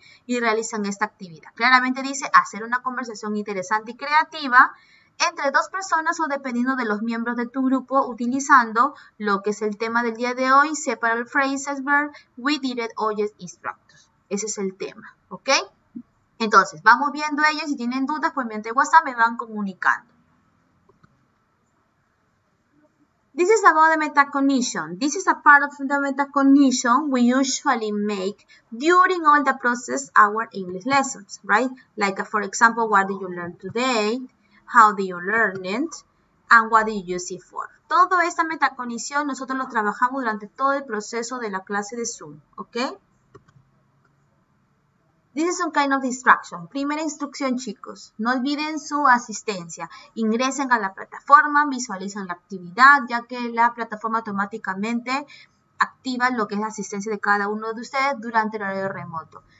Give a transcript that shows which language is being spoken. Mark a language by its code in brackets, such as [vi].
[es] Y realizan esta actividad. Claramente dice hacer una conversación interesante y creativa entre dos personas o dependiendo de los miembros de tu grupo, utilizando lo que es el tema del día de hoy, [en] separate phrases, verb, with direct object instructors. [es] Ese es el tema, ¿ok? Entonces, vamos viendo ellos. Si tienen dudas, pues mediante WhatsApp me van comunicando. [en] This is about the metacognition. This is a part of the metacognition we usually make during all the process our English lessons, right? Like, for example, what did you learn today? How do you learn it? And what do you use it for? [es] Toda esta metacognición nosotros lo trabajamos durante todo el proceso de la clase de Zoom, ¿ok? [en] This is some kind of instruction. [es] Primera instrucción, chicos. No olviden su asistencia. Ingresen a la plataforma, visualizan la actividad, ya que la plataforma automáticamente activa lo que es la asistencia de cada uno de ustedes durante el horario remoto.